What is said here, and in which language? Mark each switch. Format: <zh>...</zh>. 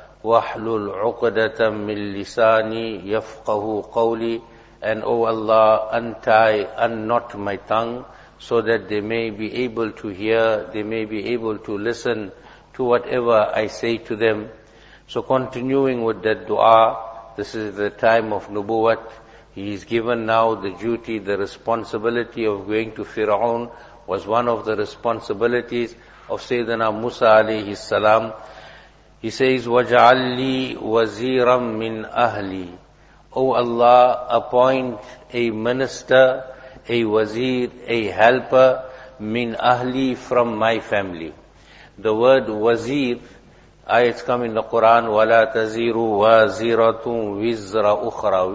<ar>Wahlul uqdatan min lisani yafqahu qawli,</ar> <en>and O Allah, untie, unknot my tongue, so that they may be able to hear, they may be able to listen to whatever I say to them. So continuing with that dua, this is the time of Nubuwat. He is given now the duty, the responsibility of going to Fir'aun was one of the responsibilities of Sayyidina Musa alayhi salam.</en> <ar>He says, وَجَعَلِّي وَزِيرًا مِّنْ أَهْلِي.</ar> <en>O Allah, appoint a minister, a wazir, a helper, min ahli, from my family. The word wazir, ayats come in the Quran,</en> <ar>وَلَا تَزِيرُ وَازِيرَةٌ وِزْرَ أُخْرَى.</ar>